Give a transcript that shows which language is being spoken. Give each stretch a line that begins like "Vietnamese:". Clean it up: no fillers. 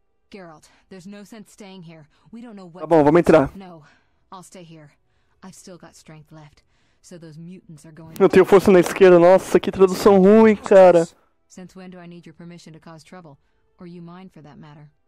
English: Geralt, there's no sense staying here. We don't know what.
Portuguese: Tá bom, vamos entrar.
English: No, I'll stay here. I've still got strength left. So those mutants are going.
Portuguese: Eu tenho força na esquerda. Nossa, que tradução ruim, cara.
English: Since when do I need your permission to cause trouble, or you mine for that matter?